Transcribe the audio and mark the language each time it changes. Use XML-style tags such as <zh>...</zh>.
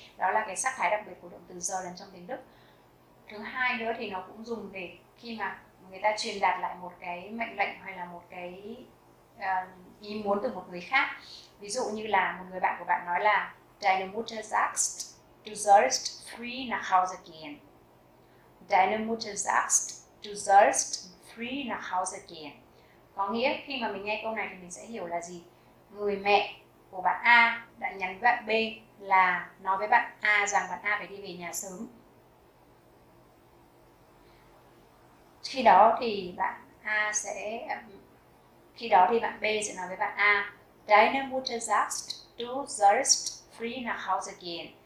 <vi>Đó là cái sắc thái đặc biệt của động từ sollen trong tiếng Đức. Thứ hai nữa thì nó cũng dùng để khi mà người ta truyền đạt lại một cái mệnh lệnh hay là một cái ý muốn từ một người khác. Ví dụ như là một người bạn của bạn nói là</vi> <de>Deine Mutter sagt, du sollst früh nach Hause gehen. Deine Mutter sagt, du sollst früh nach Hause gehen.</de> <vi>Có nghĩa khi mà mình nghe câu này thì mình sẽ hiểu là gì? Người mẹ của bạn A đã nhắn với bạn B là nói với bạn A rằng bạn A phải đi về nhà sớm. Khi đó thì bạn A sẽ khi đó thì bạn B sẽ nói với bạn A:</vi> <de>Deine Mutter sagt, du sollst früh nach Hause gehen.</de>